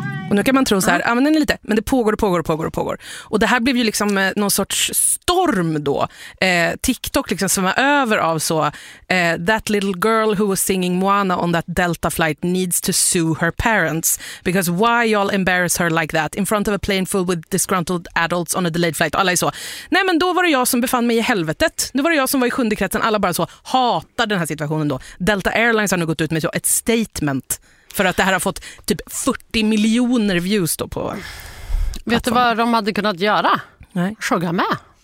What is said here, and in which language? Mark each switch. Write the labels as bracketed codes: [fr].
[sv] nu kan man tro så här, ja, men den är lite, men det pågår och pågår och pågår och pågår. Och det här blev ju liksom någon sorts storm då. TikTok liksom som var över av så [en] that little girl who was singing Moana on that Delta flight needs to sue her parents because why y'all embarrass her like that in front of a plane full with disgruntled adults on a delayed flight. [sv] Alla är så. Nej, men då var det jag som befann mig i helvetet. Nu var det jag som var i sjunde kretsen. Alla bara så hatar den här situationen då. Delta Airlines har nu gått ut med så ett statement för att det här har fått typ 40 miljoner views då på... Vet du vad de hade kunnat göra? Nej. Sjunga med.